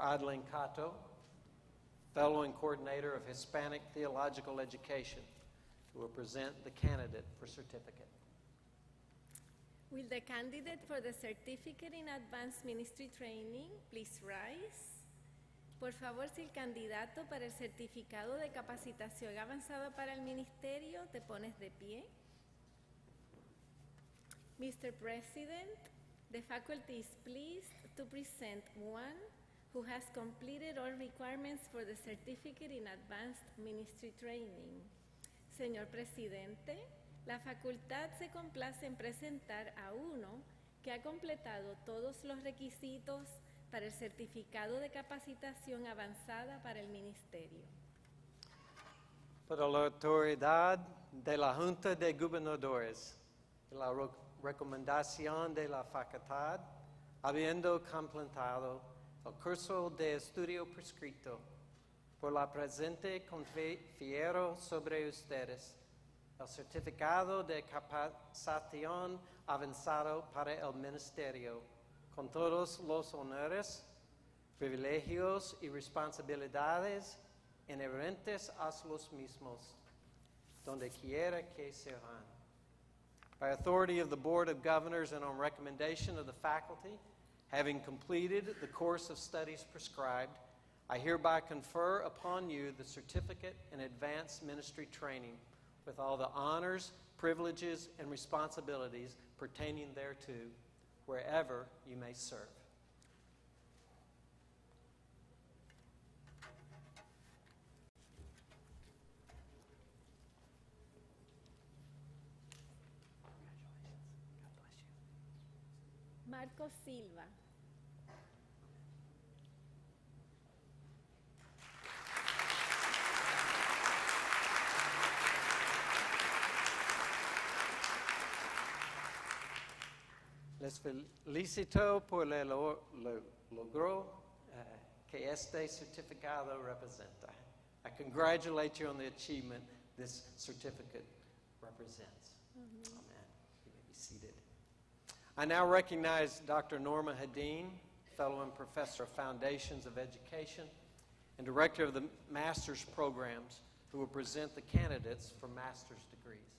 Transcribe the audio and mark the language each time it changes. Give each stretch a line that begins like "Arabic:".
English: Adeline Cato, Fellow and Coordinator of Hispanic Theological Education, who will present the candidate for certificate. Will the candidate for the certificate in advanced ministry training please rise?
Spanish: Por favor, si el candidato para el certificado de capacitación avanzada para el ministerio te pones de pie.
English: Mr. President, the faculty is pleased to present one who has completed all requirements for the certificate in advanced ministry training.
Spanish: Señor presidente, la facultad se complace en presentar a uno que ha completado todos los requisitos para el certificado de capacitación avanzada para el ministerio. Por la autoridad de la Junta de Gobernadores, la Recomendación de la facultad, habiendo completado el curso de estudio prescrito, por la presente confiero sobre ustedes el certificado de capacitación avanzado para el ministerio, con todos los honores, privilegios y responsabilidades inherentes a los mismos, donde quiera que sean.
English: By authority of the Board of Governors and on recommendation of the faculty, having completed the course of studies prescribed, I hereby confer upon you the certificate in advanced ministry training with all the honors, privileges, and responsibilities pertaining thereto, wherever you may serve. Marco Silva.
Spanish: Les felicito por el logro que este certificado representa.
English: I congratulate you on the achievement this certificate represents. Mm-hmm. Amen. You may be seated. I now recognize Dr. Norma Hedin, Fellow and Professor of Foundations of Education and Director of the Master's Programs, who will present the candidates for master's degrees.